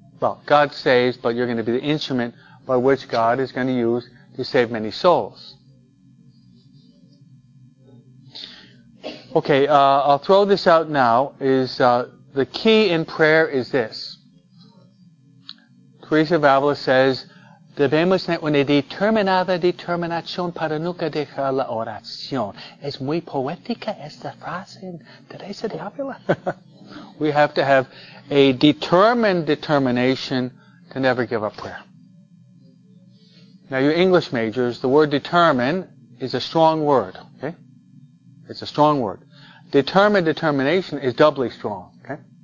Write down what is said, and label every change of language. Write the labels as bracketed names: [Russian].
[English] Well, God saves, but you're going to be the instrument by which God is going to use to save many souls. Okay, I'll throw this out now. The key in prayer is this. Teresa of Avila says, [Spanish] debemos tener una determinada determinación para nunca dejar la oración. Es muy poética esta frase en Teresa de Avila. [English] We have to have a determined determination to never give up prayer. Now, you English majors, the word determine is a strong word, okay? It's a strong word. Determined determination is doubly strong, okay?